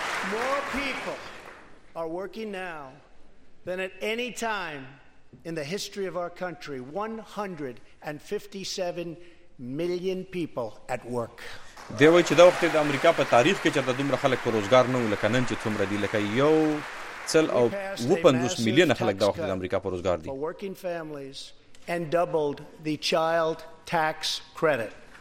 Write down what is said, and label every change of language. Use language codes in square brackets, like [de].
[en] More people are working now than at any time in the history of our country. 157 million people at work. [ps] د وای چې دا وخت د امریکا په تاریخ کې چې دومره خلک په روزګار نه لکه نن چې څومره دي لکه یو څل او 15 میلیونه خلک دا وخت د امریکا په روزګار دي. [en] Working families and doubled the child tax credit.